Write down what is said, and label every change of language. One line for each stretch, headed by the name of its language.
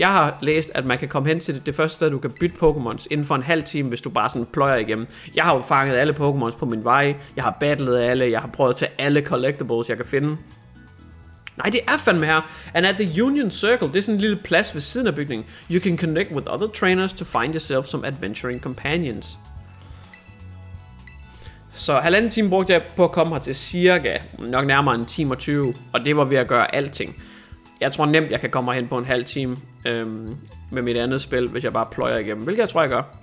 Danish: Jeg har læst, at man kan komme hen til det første sted, du kan bytte Pokémons inden for en halv time, hvis du bare sådan pløjer igennem. Jeg har fanget alle Pokémons på min vej. Jeg har battlet alle. Jeg har prøvet at tage alle collectibles, jeg kan finde. Nej, det er fandme her.
English: And at the Union Circle,
Danish: det er sådan en lille plads ved siden af bygningen.
English: You can connect with other trainers to find yourself some adventuring companions.
Danish: Så halvanden time brugte jeg på at komme her til cirka, nok nærmere en time og 20. Og det var ved at gøre alting. Jeg tror nemt, jeg kan komme hen på en halv time med mit andet spil, hvis jeg bare pløjer igennem. Hvilket jeg tror, jeg gør.